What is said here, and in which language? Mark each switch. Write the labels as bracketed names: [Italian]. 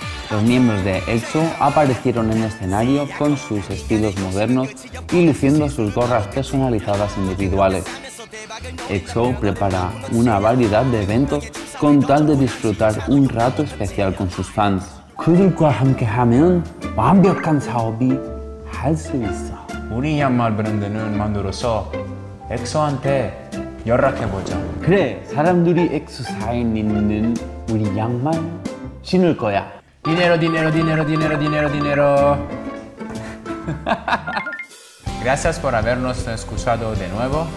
[Spanish] Los miembros de EXO aparecieron en escenario con sus estilos modernos y luciendo sus gorras personalizadas individuales. EXO prepara una variedad de eventos con tal de disfrutar un rato especial con sus fans. [Korean] 그들과 함께하면 완벽한 사업이 할 수 있어. 우리 양말 브랜드는 만들어서 엑소한테 연락해보자. 그래, 사람들이 엑소 사인 있는 우리 양말 신을 거야. [Spanish] 디네로. Gracias por habernos escuchado de nuevo.